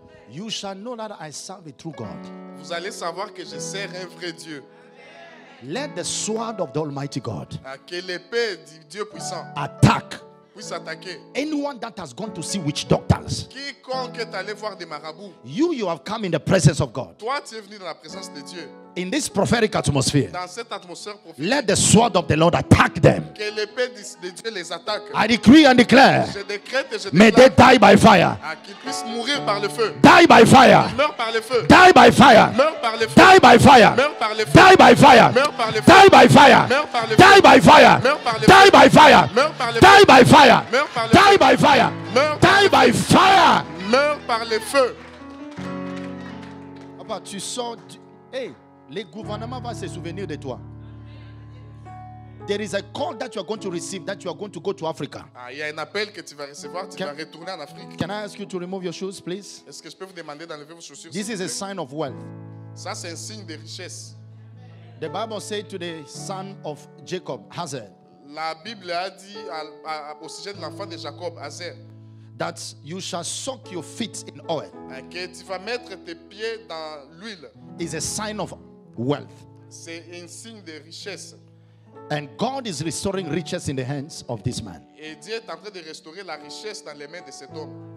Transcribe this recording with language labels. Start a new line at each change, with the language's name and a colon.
English: You shall know that I serve a true God.
French: Vous allez savoir que je sers un vrai Dieu.
English: Let the sword of the Almighty God.
French: Que l'épée du Dieu puissant.
English: Attack.
French: Puisse attaquer.
English: Anyone that has gone to see witch doctors.
French: Quiconque est allé voir des marabouts.
English: You have come in the presence of God.
French: Toi, tu es venu dans la présence de Dieu.
English: In this prophetic atmosphere,
French: dans cette atmosphère prophétique,
English: let the sword of the Lord attack them.
French: Que l'épée de Dieu les attaque.
English: I decree and declare.
French: Je décrète et je déclare.
English: May they die by fire.
French: Qu'ils puissent mourir par le feu.
English: Die by fire.
French: Meurs par le feu.
English: Die by fire.
French: Meurs par le feu.
English: Die by fire.
French: Meurs par le feu.
English: Die by fire.
French: Meurs par le feu.
English: Die by fire.
French: Meurs par le feu.
English: Die by fire.
French: Meurs par le feu.
English: Die by fire.
French: Meurs par le feu.
English: Die by fire. Die by fire.
French: Meurs par le feu. Papa, tu sors. Le gouvernement va se souvenir de toi.
English: There is a call that you are going to receive, that you are going to go to Africa.
French: Il y a un appel que tu vas recevoir, tu vas retourner en Afrique.
English: Can I ask you to remove your shoes, please?
French: Est-ce que je peux vous demander d'enlever vos chaussures?
English: This is a sign of wealth.
French: Ça, c'est un signe de richesse.
English: The Bible said to the son of Jacob, Hazael.
French: La Bible a dit au sujet de l'enfant de Jacob, Hazael.
English: That you shall soak your feet in oil.
French: Que tu vas mettre tes pieds dans l'huile.
English: Is a sign of wealth.
French: C'est un signe de richesse.
English: And God is restoring riches in the hands of this man.
French: Et Dieu est en train de restaurer la richesse dans les mains de cet homme.